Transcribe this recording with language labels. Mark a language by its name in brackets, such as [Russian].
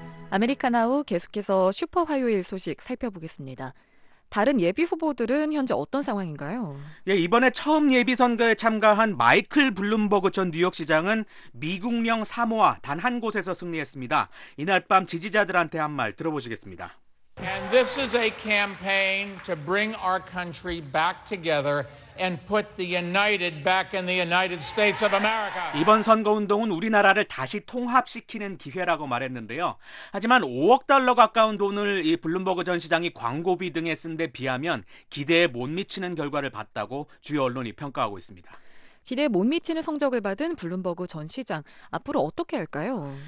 [Korean] 아메리카 나우 계속해서 슈퍼 화요일 소식 살펴보겠습니다. 다른 예비 후보들은 현재 어떤 상황인가요? 예, 이번에 처음 예비 선거에 참가한 마이클 블룸버그 전 뉴욕시장은 미국령 사모아 단 한 곳에서 승리했습니다. 이날 밤 지지자들한테 한 말 들어보시겠습니다. [English] And this is a campaign to bring our country back together and put the united back in the United States of America. [Korean] 이번 선거 운동은 우리나라를 다시 통합시키는 기회라고 말했는데요. 하지만 5억 달러 가까운 돈을 이 블룸버그 전 시장이 광고비 등에 쓴 데 비하면 기대에 못 미치는 결과를 봤다고 주요 언론이 평가하고 있습니다. 기대에 못 미치는 성적을 받은 블룸버그 전 시장, 앞으로 어떻게 할까요?